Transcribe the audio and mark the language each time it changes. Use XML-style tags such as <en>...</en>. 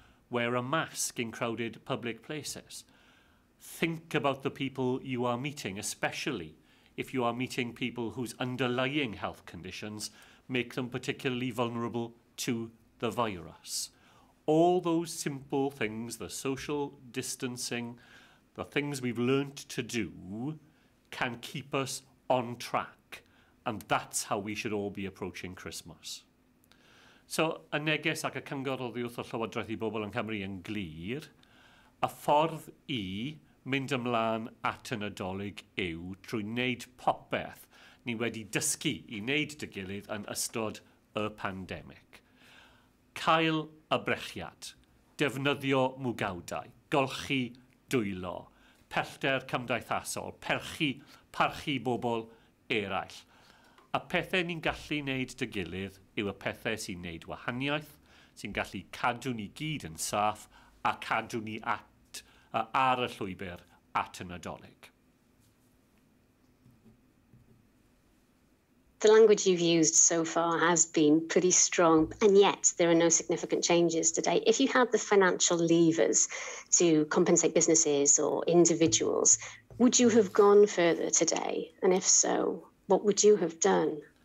<en>Wear a mask in crowded public places. Think about the people you are meeting, especially if you are meeting people whose underlying health conditions make them particularly vulnerable to the virus. All those simple things, the social distancing, the things we've learnt to do, can keep us on track. And that's how we should all be approaching Christmas.</en> <cy>So, y neges ac y cyngor oddi wrth y Llywodraeth i bobl yn Cymru yn glir, y ffordd i mynd ymlaen at y Nadolig yw trwy wneud popeth ni wedi dysgu i wneud dy gilydd yn ystod y pandemig. Cael y brechiad, defnyddio mwgawdau, golchi dwylo, pellter cymdeithasol, parchu bobl eraill. Y pethau ni'n gallu wneud dy gilydd yw y pethau sy'n wneud wahaniaeth, sy'n gallu cadw ni gyd yn saff a cadw ni ar y llwybr at y Nadolig.</cy> <en>The language you've used so far has been pretty strong, and yet there are no significant changes today. If you had the financial levers to compensate businesses or individuals, would you have gone further today? And if so, what would you have done?</en>